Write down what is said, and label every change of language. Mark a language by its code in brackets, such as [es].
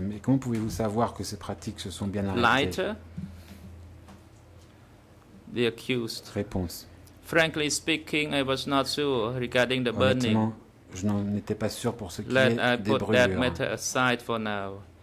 [fr] Mais comment pouvez-vous savoir que ces pratiques se sont bien arrêtées [en] lighter? The accused. [fr] Réponse. [en] Frankly speaking, I was not sure regarding the burning. [fr] Je n'en étais pas sûr pour ce qui est des brûlures. [en] Let I put that matter aside for now.